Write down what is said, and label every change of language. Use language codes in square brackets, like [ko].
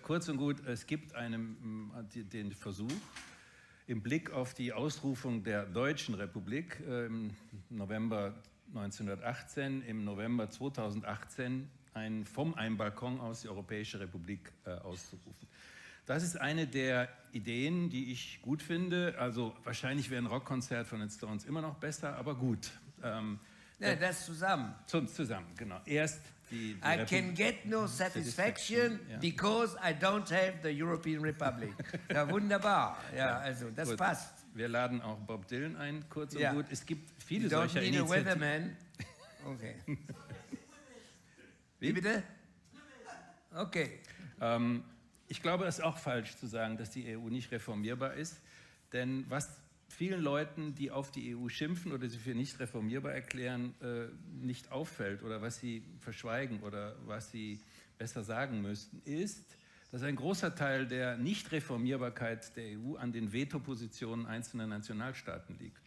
[de] Kurz und gut, es gibt den Versuch, im Blick auf die Ausrufung der Deutschen Republik im November 1918, im November 2018 vom Balkon aus die Europäische Republik auszurufen. Das ist eine der Ideen, die ich gut finde. Also wahrscheinlich wäre ein Rockkonzert von den Stones immer noch besser, aber gut. Das zusammen. Zusammen, genau. Erst die [en] I can get no satisfaction, because I don't have the European Republic. [de] Ja, wunderbar. Ja, also das gut. Passt. Wir laden auch Bob Dylan ein, kurz und gut. Es gibt viele solcher Initiativen. [en] Don't need a weatherman. Okay. [de] Wie bitte? Okay. Ich glaube, es ist auch falsch zu sagen, dass die EU nicht reformierbar ist, denn was vielen Leuten, die auf die EU schimpfen oder sie für nicht reformierbar erklären, nicht auffällt oder was sie verschweigen oder was sie besser sagen müssten, ist, dass ein großer Teil der Nicht-Reformierbarkeit der EU an den Veto-Positionen einzelner Nationalstaaten liegt.